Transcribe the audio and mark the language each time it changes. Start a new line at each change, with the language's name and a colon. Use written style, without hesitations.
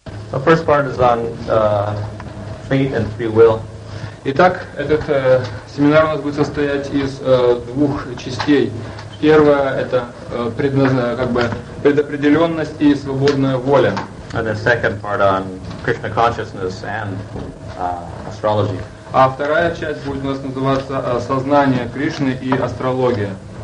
English: The first part is on faith and free will.
Russian: Итак, этот семинар у нас будет состоять из двух частей. Первое – это предопределенность и свободная воля.
English: And the second part on Krishna consciousness and astrology.
Russian: А вторая часть будет у нас называться «Сознание Кришны и астрология».